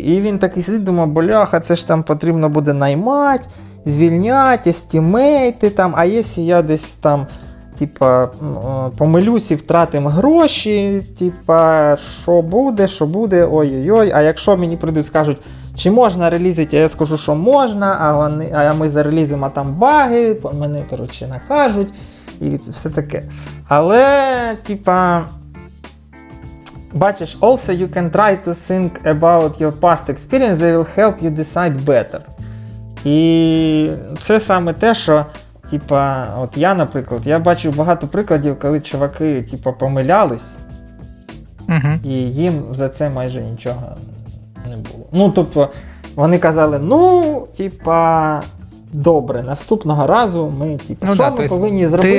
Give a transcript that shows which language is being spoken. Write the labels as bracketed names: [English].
[Ukrainian] І він такий сидить, думає, бляха, це ж там потрібно буде наймати, звільняти, естімейти там, а якщо я десь там, типа, помилюсь і втратим гроші, типа, що буде, ой-ой-ой, а якщо мені прийдуть, скажуть, чи можна релізити? Я скажу, що можна, а ми зарелізимо там баги, мене, коротше, накажуть, і це все таке. Але, типа, бачиш, [English] also you can try to think about your past experience, they will help you decide better. [Ukrainian] І це саме те, що, типа, от я, наприклад, я бачив багато прикладів, коли чуваки, типа, помилялись, і їм за це майже нічого не було. Ну, тобто, вони казали, ну, типа, добре, наступного разу ми, типа, ну, що да, ми повинні зробити,